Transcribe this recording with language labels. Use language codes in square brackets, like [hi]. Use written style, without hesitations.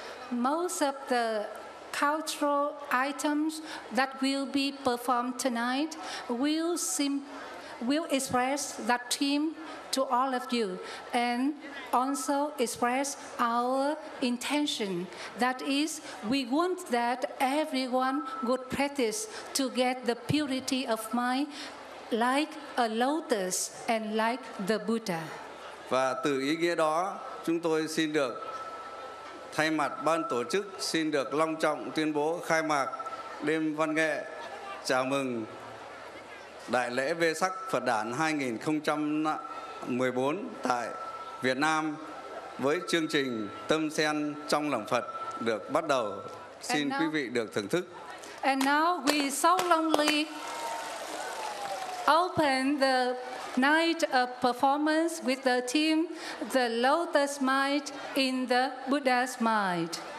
[en] Most of the cultural items that will be performed tonight will will express that team to all of you and also express our intention. That is, we want that everyone would practice to get the purity of mind like a lotus and like the Buddha. [vi] Và từ ý nghĩa đó, chúng tôi xin được thay mặt ban tổ chức xin được long trọng tuyên bố khai mạc đêm văn nghệ chào mừng Đại lễ Vesak Phật Đản 2014 tại Việt Nam với chương trình Tâm Sen Trong Lòng Phật được bắt đầu. Xin now, quý vị được thưởng thức. [en] And now we solemnly open the night of performance with the team The Lotus Mind in the Buddha's Mind.